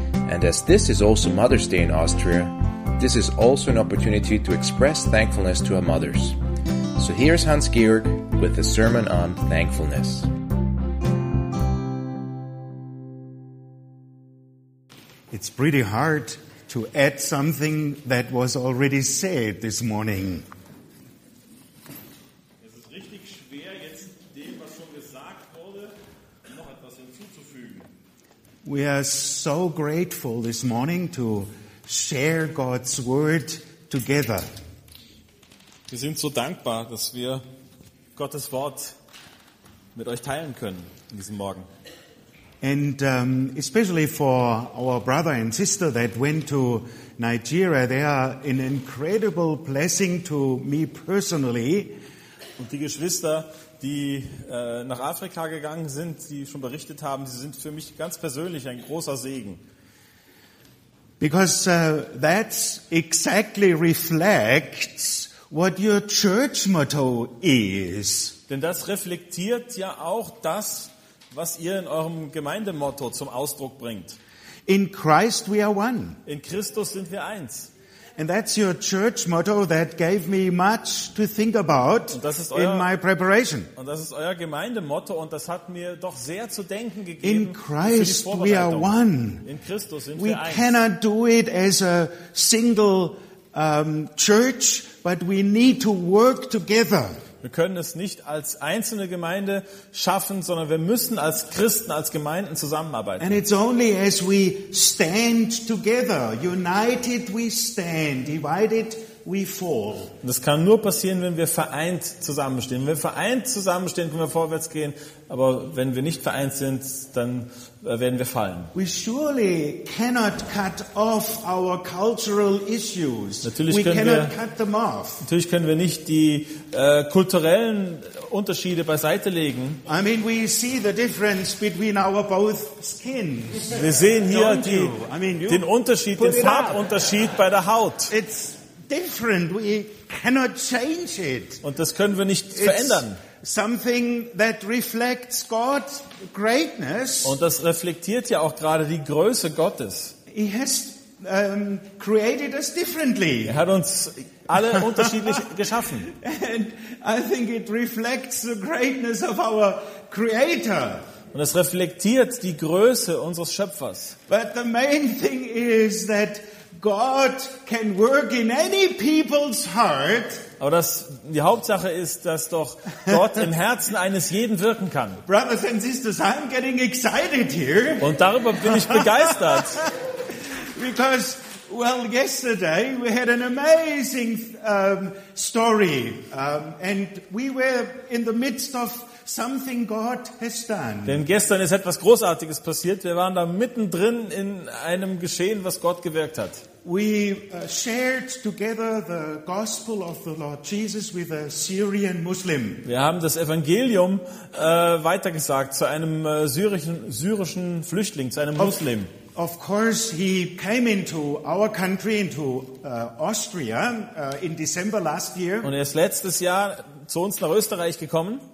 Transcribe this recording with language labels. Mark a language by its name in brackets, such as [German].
[English] And as this is also Mother's Day in Austria, this is also an opportunity to express thankfulness to our mothers. So here's Hans Georg with a sermon on thankfulness. It's pretty hard to add something that was already said this morning. [German] Es ist richtig schwer, jetzt dem, was schon gesagt wurde, noch etwas hinzuzufügen. [English] We are so grateful this morning to share God's word together. [German] Wir sind so dankbar, dass wir Gottes Wort mit euch teilen können in diesem Morgen. [English] And especially for our brother and sister that went to Nigeria, they are an incredible blessing to me personally. [German] Und die Geschwister, die nach Afrika gegangen sind, die schon berichtet haben, sie sind für mich ganz persönlich ein großer Segen. [English] Because that exactly reflects what your church motto is. [German] Denn das reflektiert ja auch das, was ihr in eurem Gemeindemotto zum Ausdruck bringt. [English] In Christ we are one. [German] In Christus sind wir eins. [English] And that's your church motto that gave me much to think about in my preparation. [German] Und das ist euer Gemeindemotto und das hat mir doch sehr zu denken gegeben. [English] In Christ we are one. [German] In Christus sind wir eins. [English] We cannot do it as a single church, but we need to work together. [German] Wir können es nicht als einzelne Gemeinde schaffen, sondern wir müssen als Christen, als Gemeinden zusammenarbeiten. [English] And it's only as we stand together, united we stand, divided we fall. [German] Das kann nur passieren, wenn wir vereint zusammenstehen. Wenn wir vereint zusammenstehen, können wir vorwärts gehen, aber wenn wir nicht vereint sind, dann werden wir fallen. [English] We surely cannot cut off our cultural issues. [German] Natürlich [English] we cannot [German] wir, [English] cut them off. [German] Natürlich können wir nicht die kulturellen Unterschiede beiseite legen. [English] I mean, we see the difference between our both skins. [German] Wir sehen hier die, [English] I mean, [German] den Unterschied, den Farbunterschied bei der Haut. [English] It's different. We cannot change it. [German] Und das können wir nicht verändern. [English] Something that reflects God's greatness. [German] Und das reflektiert ja auch gerade die Größe Gottes. [English] He has created us differently. [German] Er hat uns alle unterschiedlich geschaffen. [English] And I think it reflects the greatness of our Creator. [German] Und es reflektiert die Größe unseres Schöpfers. [English] But the main thing is that God can work in any people's heart. [German] Aber das, die Hauptsache ist, dass doch Gott im Herzen eines jeden wirken kann. [English] Brothers and sisters, I'm getting excited here. [German] Und darüber bin ich begeistert. [English] Because, well, yesterday we had an amazing story. And we were in the midst of something God has done. [German] Denn gestern ist etwas Großartiges passiert. Wir waren da mittendrin in einem Geschehen, was Gott gewirkt hat. [English] We shared together the gospel of the Lord Jesus with a Syrian Muslim. [German] Wir haben das Evangelium weitergesagt zu einem syrischen Flüchtling, zu einem Muslim. [English] Of course, he came into our country, into Austria, in December last year. [German] Und er ist letztes Jahr zu uns nach Österreich gekommen.